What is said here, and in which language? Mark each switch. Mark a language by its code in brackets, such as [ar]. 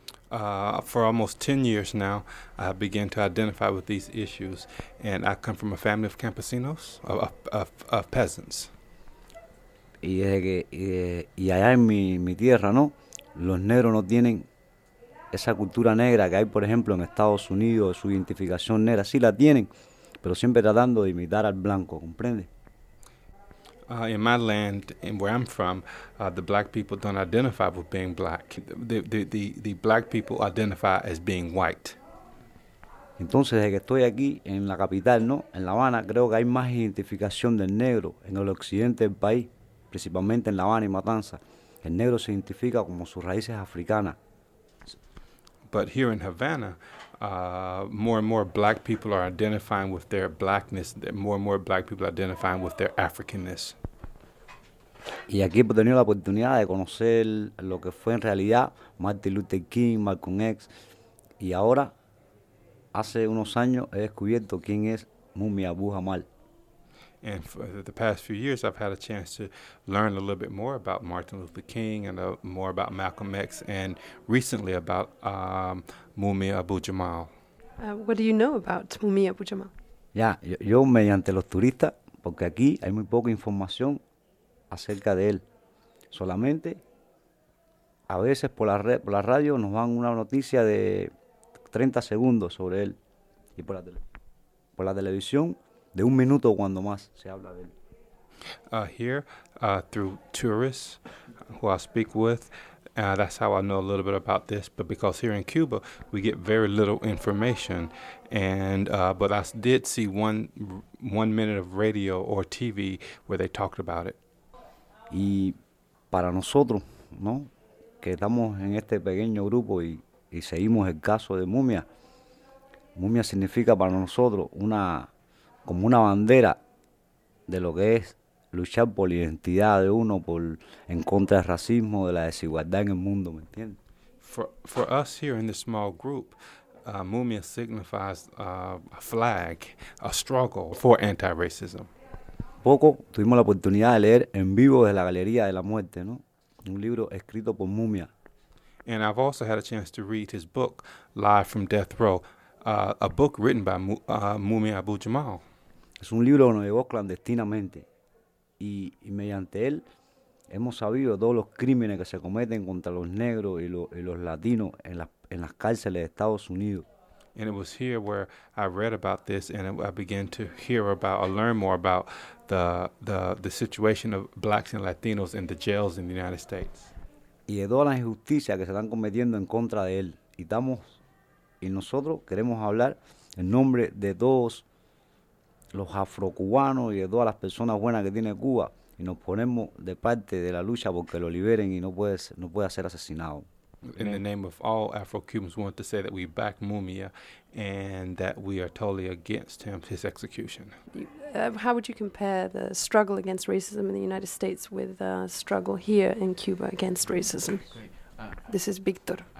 [en] For almost 10 years now, I began to identify with these issues, and I come from a family of campesinos, of peasants. [es] Y allá en mi tierra, ¿no? Los negros no tienen esa cultura negra que hay, por ejemplo, en Estados Unidos, su identificación negra, sí la tienen, pero siempre tratando de imitar al blanco, ¿comprende? [en] In my land, and where I'm from, the black people don't identify with being black. The black people identify as being white. [es] Entonces, desde que estoy aquí en la capital, ¿no? En La Habana, creo que hay más identificación del negro en el occidente del país, principalmente en La Habana y Matanza. El negro se identifica como sus raíces africanas. [en] But here in Havana, more and more black people are identifying with their blackness, more and more black people are identifying with their Africanness. [es] Y aquí he tenido la oportunidad de conocer lo que fue en realidad Martin Luther King, Malcolm X. Y ahora, hace unos años, he descubierto quién es Mumia Abu-Jamal. [en] And for the past few years, I've had a chance to learn a little bit more about Martin Luther King and more about Malcolm X, and recently about Mumia Abu-Jamal. What do you know about Mumia Abu-Jamal? [es] Yeah, yo mediante los turistas, porque aquí hay muy poca información acerca de él. Solamente, a veces por la red, por la radio, nos dan una noticia de 30 segundos sobre él. Y por la televisión, de un minuto cuando más se habla de él. [en] Through tourists who I speak with, that's how I know a little bit about this, but because here in Cuba, we get very little information. But I did see one minute of radio or TV where they talked about it. [es] Y para nosotros, ¿no?, que estamos en este pequeño grupo y seguimos el caso de Mumia. Mumia significa para nosotros como una bandera de lo que es luchar por la identidad de uno, por en contra del racismo, de la desigualdad en el mundo, ¿me entiendes? [en] For us here in this small group, Mumia signifies a flag, a struggle for anti-racism. [es] Poco tuvimos la oportunidad de leer en vivo desde la Galería de la Muerte, ¿no?, un libro escrito por Mumia. [en] And I've also had a chance to read his book, Live from Death Row, a book written by Mumia Abu-Jamal. [es] Es un libro que nos llegó clandestinamente y mediante él hemos sabido todos los crímenes que se cometen contra los negros y los latinos en las cárceles de Estados Unidos. [en] And it was here where I read about this and I began to hear about or learn more about the situation of blacks and latinos in the jails in the United States. [es] Y de todas las injusticias que se están cometiendo en contra de él. Y nosotros queremos hablar en nombre de todos los afrocubanos y de todas las personas buenas que tiene Cuba, y nos ponemos de parte de la lucha porque lo liberen y no puede ser asesinado. [en] In the name of all Afro-Cubans, we want to say that we back Mumia and that we are totally against him, his execution. How would you compare the struggle against racism in the United States with the struggle here in Cuba against racism? This is Victor.